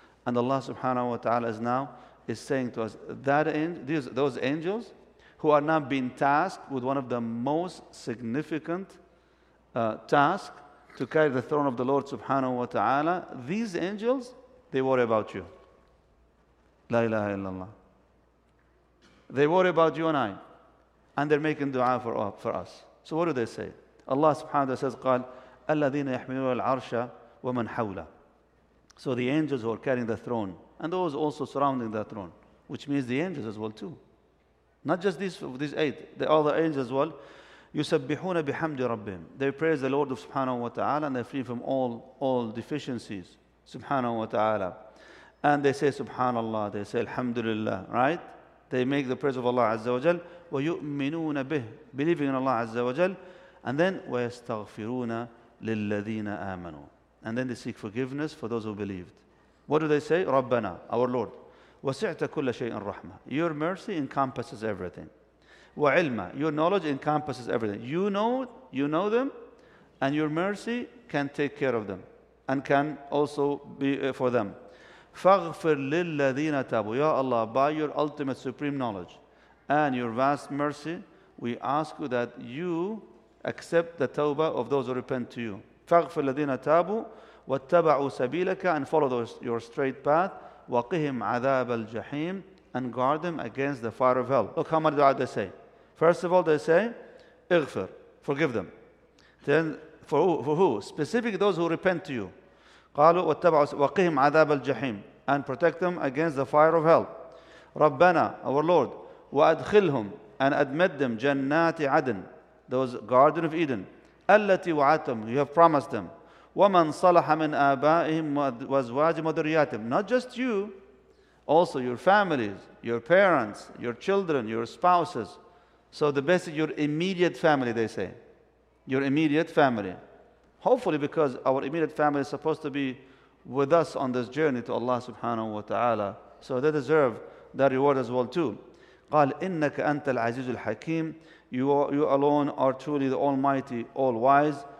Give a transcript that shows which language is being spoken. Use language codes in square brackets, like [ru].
[en] And Allah subhanahu wa ta'ala is now saying to us, those angels who are now being tasked with one of the most significant task to carry the throne of the Lord subhanahu wa ta'ala, these angels, they worry about you. La ilaha illallah. They worry about you and I. And they're making dua for us. So what do they say? Allah subhanahu wa ta'ala says, قال, [ar] الَّذِينَ يَحْمِلُونَ الْعَرْشَ وَمَنْ حَوْلَ. [en] So the angels who are carrying the throne, and those also surrounding the throne, which means the angels as well too. Not just these eight, the other angels as well. [ar] يُسَبِّحُونَ بِحَمْدِ رَبِّهِمْ. [en] They praise the Lord of subhanahu wa ta'ala, and they're free from all deficiencies. Subhanahu wa ta'ala. And they say, subhanallah, they say, alhamdulillah, right? They make the praise of Allah Azza wa Jal, [ar] وَيُؤْمِنُونَ بِهِ, [en] believing in Allah Azza wa Jal, and then, [ar] وَيَسْتَغْفِرُونَ لِلَّذِينَ آمَنُوا. [en] And then they seek forgiveness for those who believed. What do they say? [ar] رَبَّنَا, [en] our Lord. [ar] وَسِعْتَ كُلَّ شَيْءٍ رَحْمَةٍ. [en] Your mercy encompasses everything. [ar] وَعِلْمَ, [en] your knowledge encompasses everything. You know them, and your mercy can take care of them, and can also be for them. [ar] فَغْفِرْ لِلَّذِينَ تَابُوا. [en] Ya Allah, by your ultimate supreme knowledge and your vast mercy, we ask you that you accept the tawbah of those who repent to you. [ar] فَغْفِرْ لِلَّذِينَ تَابُوا وَاتَّبَعُوا سَبِيلَكَ, [en] and follow your straight path. [ar] وَقِهِمْ عَذَابَ الْجَحِيمِ, [en] and guard them against the fire of hell. Look how much dua they say. First of all, they say, اغْفِرْ, forgive them. Then, for who? Specifically those who repent to you. [ar] قالوا واتبعوا وقهم عذاب الجحيم, [en] and protect them against the fire of hell. [ar] ربنا, [en] our Lord, [ar] وأدخلهم, [en] and admit them [ar] جنات عدن, [en] those garden of Eden, [ar] التي وعدتم, [en] you have promised them. [ar] ومن صلح من آبائهم وأزواجهم وذرياتهم, [en] not just you, also your families, your parents, your children, your spouses, so the best is your immediate family, they say, your immediate family. Hopefully, because our immediate family is supposed to be with us on this journey to Allah subhanahu wa ta'ala. So they deserve that reward as well too. [ar] قال إنك أنت العزيز الحكيم. [en] You alone are truly the Almighty, All Wise.